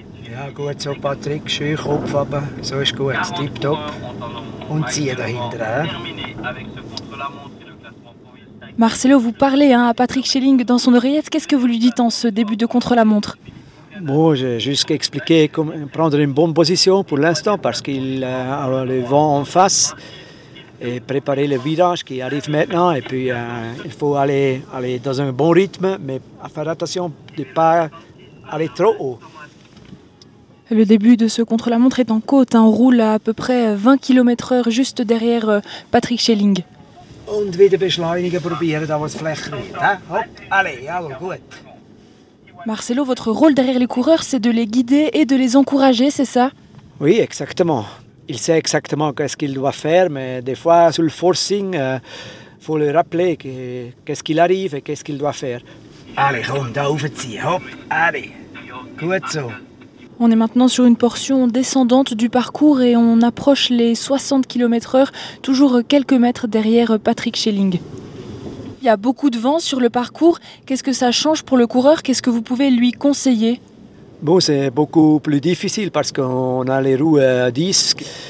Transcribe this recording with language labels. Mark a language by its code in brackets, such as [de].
[de] Ja gut, so Patrick, schön Kopf runter, so ist gut, tipptopp. Und ziehe dahinter. [fr] Marcelo, vous parlez hein, à Patrick Schelling dans son oreillette. Qu'est-ce que vous lui dites en ce début de contre-la-montre? Bon, j'ai juste expliqué comment prendre une bonne position pour l'instant parce qu'il a le vent en face et préparer le virage qui arrive maintenant. Et puis, il faut aller dans un bon rythme, mais faire attention de ne pas aller trop haut. Le début de ce contre-la-montre est en côte. Hein, on roule à peu près 20 km/h juste derrière Patrick Schelling. [de] Und wieder beschleunigen probieren, da wo es flächer wird. [fr] Hopp, allez, alors, gut. Marcelo, votre rôle derrière les coureurs, c'est de les guider et de les encourager, c'est ça? Oui, exactement. Il sait exactement qu'est-ce qu'il doit faire, mais des fois, sur le forcing, faut le rappeler qu'est-ce qu'il arrive et qu'est-ce qu'il doit faire. [de] Allez, komm, da aufziehen, hopp, allez, gut so. [fr] On est maintenant sur une portion descendante du parcours et on approche les 60 km/h, toujours quelques mètres derrière Patrick Schelling. Il y a beaucoup de vent sur le parcours. Qu'est-ce que ça change pour le coureur? Qu'est-ce que vous pouvez lui conseiller? Bon, c'est beaucoup plus difficile parce qu'on a les roues à disque.